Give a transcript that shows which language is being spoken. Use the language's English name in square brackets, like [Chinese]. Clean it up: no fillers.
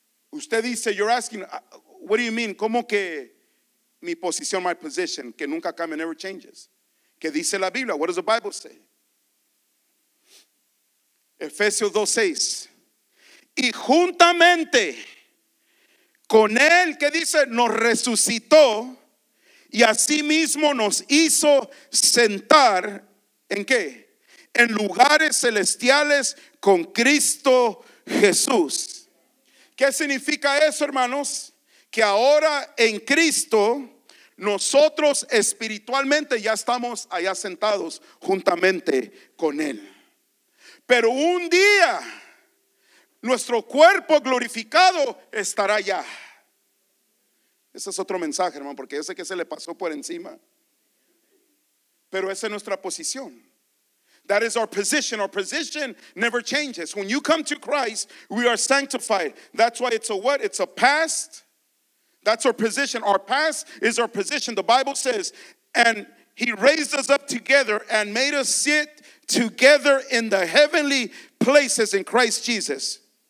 [Spanish] Usted dice, [English] you're asking, what do you mean? [Spanish] ¿Cómo que mi posición, [English] my position, [Spanish] que nunca cambia, [English] never changes? [Spanish] ¿Qué dice la Biblia? [English] What does the Bible say? [Spanish] Efesios 2:6. Y juntamente con él, que dice, nos resucitó y asimismo nos hizo sentar en qué, en lugares celestiales con Cristo Jesús. ¿Qué significa eso, hermanos? Que ahora en Cristo nosotros espiritualmente ya estamos allá sentados juntamente con Él. Pero un día nuestro cuerpo glorificado estará allá. Ese es otro mensaje, hermano, porque ese que se le pasó por encima. Pero esa es nuestra posición. [English] That is our position. Our position never changes. When you come to Christ, we are sanctified. That's why it's a what? It's a past. That's our position. Our past is our position. The Bible says, and He raised us up together and made us sit together in the heavenly places in Christ Jesus.